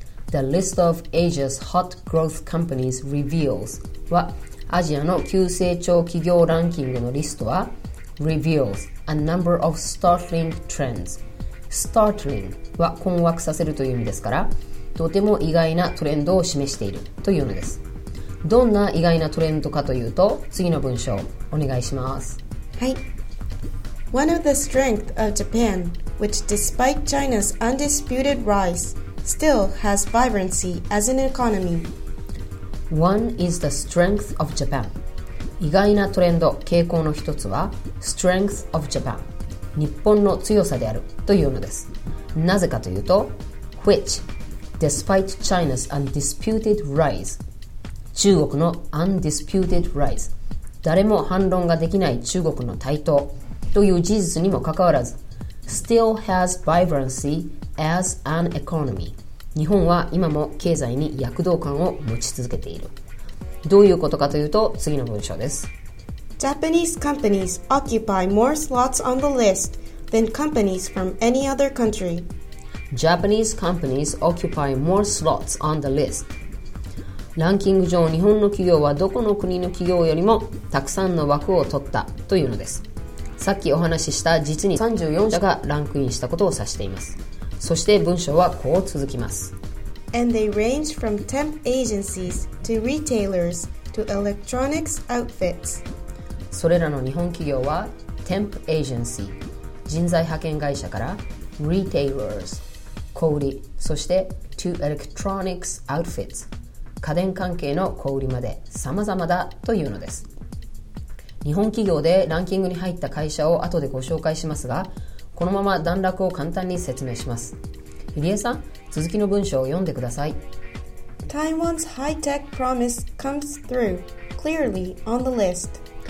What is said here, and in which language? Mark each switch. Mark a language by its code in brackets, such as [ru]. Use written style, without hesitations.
[en] The list of Asia's hot growth companies reveals [ja] はアジアの急成長企業ランキングのリストは [en] reveals a number of startling trends. [ja] Startling は困惑させるという意味ですから、とても意外なトレンドを示しているというのです。どんな意外なトレンドかというと、次の文章お願いします。はい。 [en] One of the strengths of Japan, which despite China's undisputed rise, still has vibrancy as an economy. One is the strength of Japan. [ja] 意外なトレンド、傾向の一つは strength of Japan、 日本の強さであるというのです。なぜかというと、 [en] which despite China's undisputed rise、 [ja] 中国の undisputed rise、 誰も反論ができない中国の台頭という事実にもかかわらず、 [en] still has vibrancy as an economy、 [ja] 日本は今も経済に躍動感を持ち続けている。どういうことかというと、次の文章です。 [en] Japanese companies occupy more slots on the list than companies from any other country. Japanese companies occupy more slots on the list. [ja] ランキング上、日本の企業はどこの国の企業よりもたくさんの枠を取ったというのです。さっきお話しした実に34社がランクインしたことを指しています。そして文章はこう続きます。 [en] And they range from temp agencies to retailers to electronics outfits. [ja] それらの日本企業は temp agency、 人材派遣会社から retailers、 小売り、そして [en] to electronics outfits、 [ja] 家電関係の小売りまで様々だというのです。日本企業でランキングに入った会社を後でご紹介しますが、このまま段落を簡単に説明します。入江さん、続きの文章を読んでください。 [en] Taiwan's high-tech promise comes through clearly on the list.